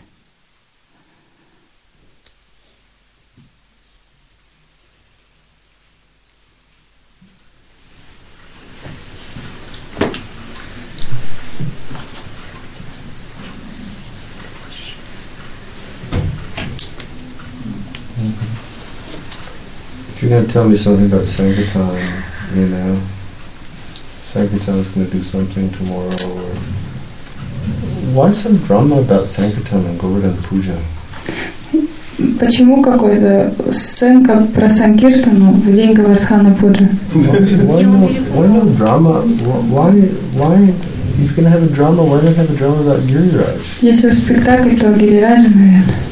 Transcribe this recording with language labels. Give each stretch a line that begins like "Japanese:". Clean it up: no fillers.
English: If you're going to tell me something about Sankirtan, you know, Sankirtan is going to do something tomorrow or... Why some drama about Sankirtan and Govardhan Puja?
Russian: Почему какая-то сценка про Санкиртану в день Говардхана Пуджи?
English: Why no drama? Why? If you're gonna have a drama, why not have a drama about Гирирадж?
Russian: Если уж спектакль, то Гирирадж, наверное.